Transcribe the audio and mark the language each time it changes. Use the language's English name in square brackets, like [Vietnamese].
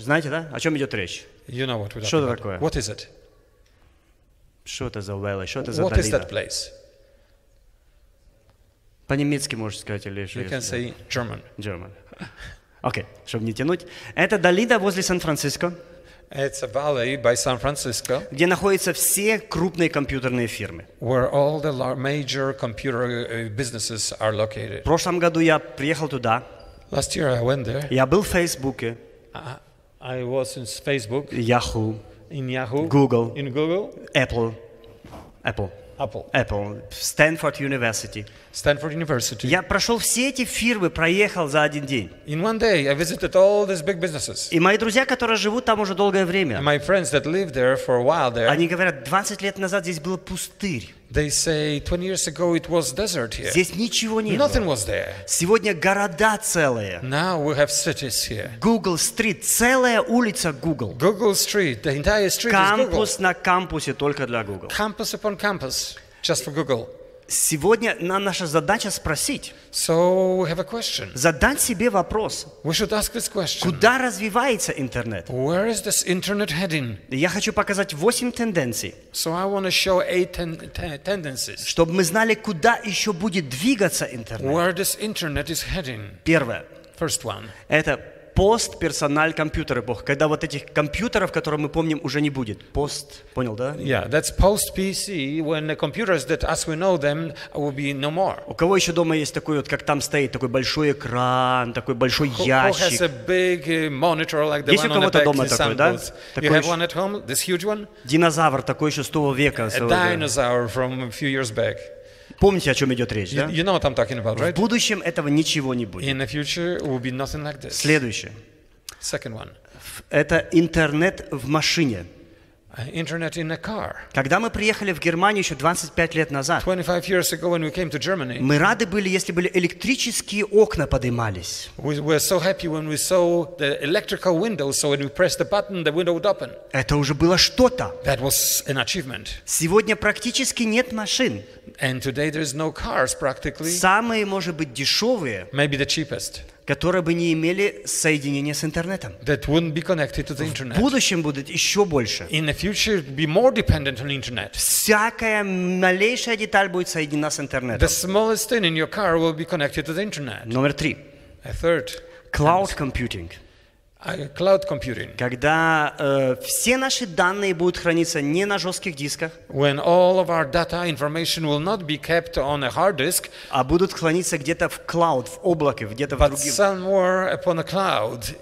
[Russian] Знаете, да? О чем идет речь? [English] You know what we're [Russian] Что это такое? [English] What is it? [Russian] Что это за Valley? Что это [English] what [Russian] за долина? [English] What is that place? [Russian] По-немецки можешь сказать или что? [English] You can say German. [Russian] German. Окей, okay. Чтобы не тянуть. Это долина возле Сан-Франциско. [English] It's a valley by San Francisco. [Russian] Где находятся все крупные компьютерные фирмы. [English] Where all the major computer businesses are located. [Russian] В прошлом году я приехал туда. [English] Last year I went there. [Russian] Я был в Фейсбуке. [English] I was in Facebook. [Russian] Yahoo. [English] In Yahoo. [Russian] Google. [English] In Google. [Russian] Apple. Apple. [English] Apple. Apple. Stanford University. Stanford University. [Russian] Я прошел все эти фирмы, проехал за один день. [English] In one day I visited all these big businesses. [Russian] И мои друзья, которые живут там уже долгое время. [English] And my friends that live there for a while there. [Russian] Они говорят, 20 лет назад здесь было пустырь. [English] They say 20 years ago it was desert here. [Russian] Здесь ничего не было. [English] Nothing was there. [Russian] Сегодня города целые. [English] Now we have cities here. [Russian] Google Street, целая улица Google. [English] Google Street, the entire street Campus is Google. [Russian] Кампус на кампусе только для Google. [English] Campus upon campus, just for Google. [Russian] Сегодня нам наша задача спросить. [English] So we have a question. [Russian] Задать себе вопрос. [English] We should ask this question. [Russian] Куда развивается интернет? [English] Where is this internet heading? [Russian] Я хочу показать 8 тенденций. [English] So I want to show 8 tendencies. [Russian] Чтобы мы знали, куда еще будет двигаться интернет. [English] Where this internet is heading. [Russian] Первое. [English] First one. [Russian] Это постперсональ-компьютер-эпох, когда вот этих компьютеров, которые мы помним, уже не будет. Пост, понял, да? [English] Yeah, that's post-PC, when the computers that as we know them will be no more. [Russian] У кого еще дома есть такой вот, как там стоит, такой большой экран, такой большой ящик? [English] Who has a big monitor like the [Russian] есть [English] one on the back? [Russian] Есть у кого-то дома [English] the [Russian] такой, да? [English] You have one at home, this huge one? [Russian] Динозавр такой еще с того века. [English] A dinosaur from a few years back. [Russian] Помните, о чем идет речь, да? [English] You know what I'm talking about, right? [Russian] В будущем этого ничего не будет. [English] In the future, it will be nothing like this. [Russian] Следующее. [English] Second one. [Russian] Это интернет в машине. [English] Internet in a car. [Russian] Когда мы приехали в Германию еще 25 лет назад, [English] 25 years ago when we came to Germany, [Russian] мы рады были, если были электрические окна поднимались. [English] We were so happy when we saw the electrical windows, so when we pressed the button, the window would open. [Russian] Это уже было что-то. [English] That was an achievement. [Russian] Сегодня практически нет машин. [English] And today there is no cars practically. [Russian] Самые, может быть, дешевые. [English] Maybe the cheapest. [Russian] Которые бы не имели соединения с интернетом. [English] That wouldn't be connected to the internet. [Russian] В будущем будет еще больше. [English] In the future, it'll be more dependent on the internet. [Russian] Всякая малейшая деталь будет соединена с интернетом. [English] The smallest thing in your car will be connected to the internet. [Russian] Номер три. [English] A third. Cloud computing. Cloud computing. [Russian] Когда все наши данные будут храниться не на жестких дисках, [English] when all of our data information will not be kept on a hard disk, [Russian] а будут храниться где-то в cloud, в облаке, где-то в другом. [English] But somewhere upon a cloud.